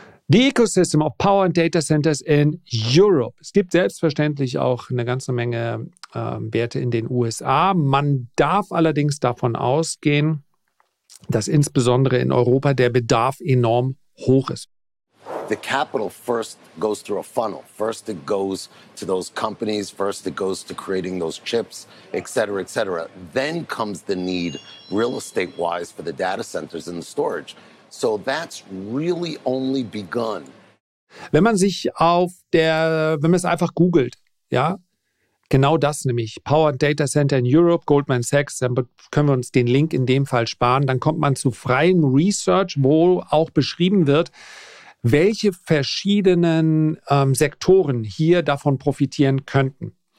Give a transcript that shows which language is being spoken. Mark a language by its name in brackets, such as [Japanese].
[English] Die Ecosystem of Power and Data Centers in Europe. [German] Es gibt selbstverständlich auch eine ganze Menge Werte in den USA. Man darf allerdings davon ausgehen, dass insbesondere in Europa der Bedarf enorm hoch ist. [English] The capital first goes through a funnel. First it goes to those companies, first it goes to creating those chips, et cetera, et cetera. Then comes the need real estate wise for the data centers and the storage. So that's really only begun. [German] Wenn man sich auf der, wenn man es einfach googelt, ja, genau das nämlich, Power Data Center in Europe, Goldman Sachs, dann können wir uns den Link in dem Fall sparen. Dann kommt man zu freiem Research, wo auch beschrieben wird, welche verschiedenen Sektoren hier davon profitieren könnten.